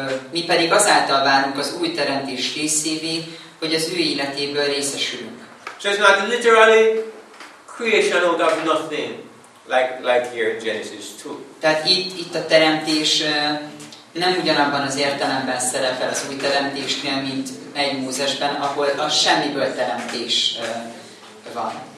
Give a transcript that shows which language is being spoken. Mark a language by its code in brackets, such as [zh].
[hu] Mi pedig azáltal válunk az új teremtés részévé, hogy az ő életéből részesülünk. [en] So it's not literally creation out of nothing. Like here in Genesis 2. [hu] Tehát itt a teremtés nem ugyanabban az értelemben szerepel az új teremtésnél, mint egy Mózesben, ahol a semmiből teremtés van.